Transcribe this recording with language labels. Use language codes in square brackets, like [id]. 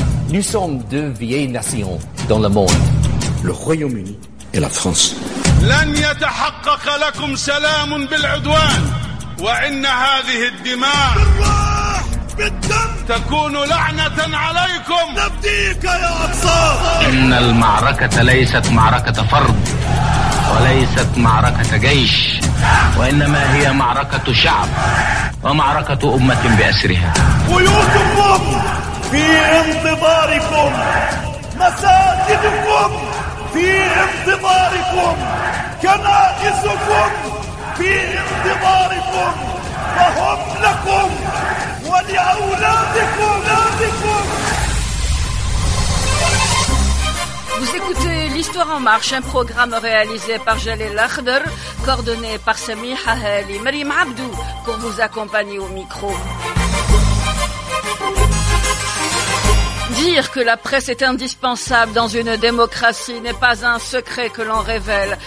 [fr] Nous sommes deux vieilles nations dans le monde. Le Royaume-Uni et la France. [ar] لن يتحقق لكم سلام بالعدوان وإن هذه الدماء بالدم تكون لعنة عليكم نبديك يا أقصى. إن المعركة ليست معركة فرد وليست معركة جيش وإنما هي معركة شعب ومعركة أمة بأسرها. بيوتكم في انتظاركم، مساجدكم في انتظاركم، كنائسكم في انتظاركم، فهم لكم ولأولادكم. [fr] Vous écoutez L'Histoire en Marche, un programme réalisé par Jalil Akhdar, coordonné par Sami Hahel et Mariam Abdou, pour vous accompagner au micro. Dire que la presse est indispensable dans une démocratie n'est pas un secret que l'on révèle.